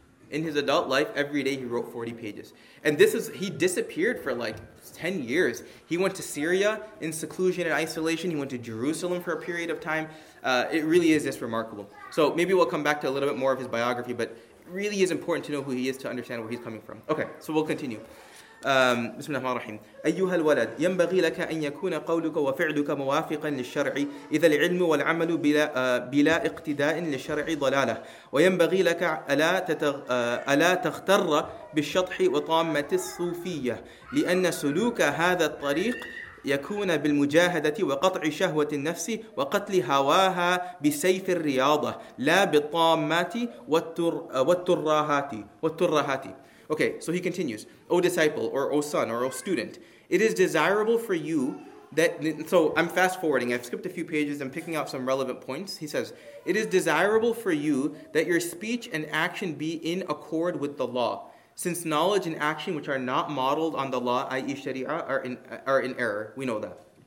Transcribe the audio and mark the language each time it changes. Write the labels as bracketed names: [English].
[English] In his adult life, every day he wrote 40 pages. And he disappeared for like 10 years. He went to Syria in seclusion and isolation. He went to Jerusalem for a period of time. It really is just remarkable. So maybe we'll come back to a little bit more of his biography, but it really is important to know who he is to understand where he's coming from. Okay, so we'll continue. [Arabic] بسم الله الرحمن الرحيم أيها الولد ينبغي لك أن يكون قولك وفعلك موافقا للشرع إذا العلم والعمل بلا اقتداء للشرع ضلالة وينبغي لك ألا تغتر بالشطح وطامة الصوفية لأن سلوك هذا الطريق يكون بالمجاهدة وقطع شهوة النفس وقتل هواها بسيف الرياضة لا بالطامات والترهات. [English] Okay, so he continues, O disciple, or O son, or O student, it is desirable for you that, so I'm fast forwarding, I've skipped a few pages, I'm picking out some relevant points. He says, it is desirable for you that your speech and action be in accord with the law. Since knowledge and action which are not modeled on the law, i.e. sharia, are in error. We know that.